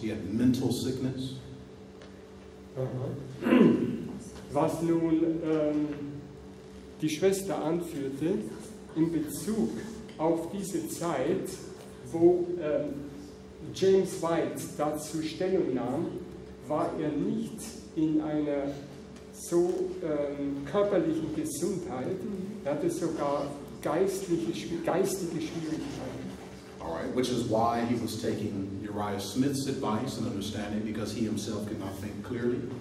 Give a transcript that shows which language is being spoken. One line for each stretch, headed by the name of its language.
English: He had mental sickness.
German: Was nun die Schwester anführte in Bezug auf diese Zeit, wo James White dazu Stellung nahm, war er nicht in einer so körperlichen Gesundheit. Er hatte sogar geistige Schwierigkeiten.
English: All right, which is why he was taking Uriah Smith's advice and understanding, because he himself could not think clearly.